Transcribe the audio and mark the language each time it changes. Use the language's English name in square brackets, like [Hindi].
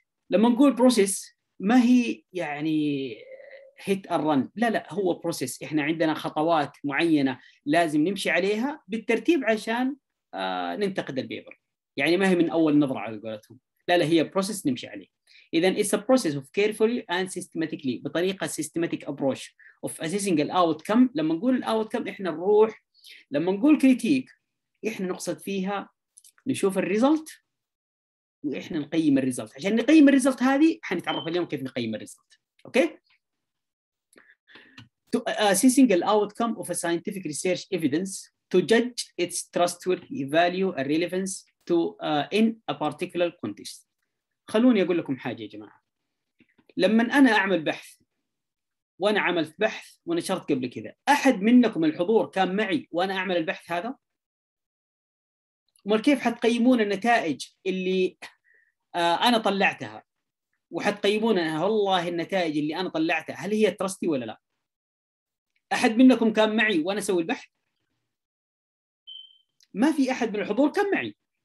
[Arabic] لما نقول [English] process [Arabic] ما هي يعني [English] hit and run، [Arabic] لا لا، هو process. إحنا عندنا خطوات معينة لازم نمشي عليها بالترتيب عشان ننتقد البيبر، يعني ما هي من أول نظرة على قولتهم، لا لا، هي [English] process [Arabic] نمشي عليه. إذن [English] it's a process of carefully and systematically، [Arabic] بطريقة [English] systematic approach of assessing the outcome. [Arabic] لما نقول [English] the outcome [Arabic] إحنا نروح، لما نقول [English] critique [Arabic] إحنا نقصد فيها نشوف الريزلت وإحنا نقيم الريزلت. عشان نقيم الريزلت هذه حنتعرف اليوم كيف نقيم الريزلت. أوكي؟ [English] to assessing the outcome of a scientific research evidence to judge its trustworthy value and relevance to in a particular context. [Arabic] خلوني أقول لكم حاجة يا جماعة، لما أنا أعمل بحث، وأنا عملت بحث ونشرت قبل كذا، أحد منكم الحضور كان معي وأنا أعمل البحث هذا؟ أمال كيف حتقيمون النتائج اللي أنا طلعتها؟ وحتقيمون والله النتائج اللي أنا طلعتها هل هي ترستي ولا لا؟ أحد منكم كان معي وأنا أسوي البحث؟ ما في أحد من الحضور كان معي.